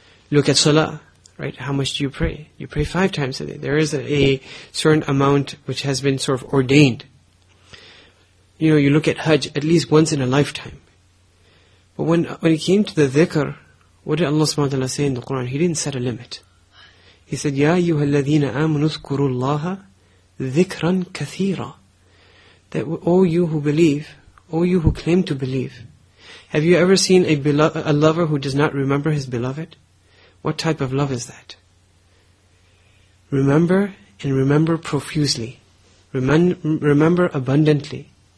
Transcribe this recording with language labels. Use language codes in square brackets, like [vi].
[en] Look at salah, right? How much do you pray? You pray five times a day. There is a certain amount which has been sort of ordained. You know, you look at hajj at least once in a lifetime. But when it came to the dhikr, what did Allah subhanahu wa ta'ala say in the Quran? He didn't set a limit. He said, [ar] يَا أَيُّهَا الَّذِينَ آمُنُوا اذْكُرُوا اللَّهَ ذِكْرًا كَثِيرًا. [en] That all you who believe, all you who claim to believe, have you ever seen a lover who does not remember his beloved? What type of love is that? Remember and remember profusely. Remember abundantly.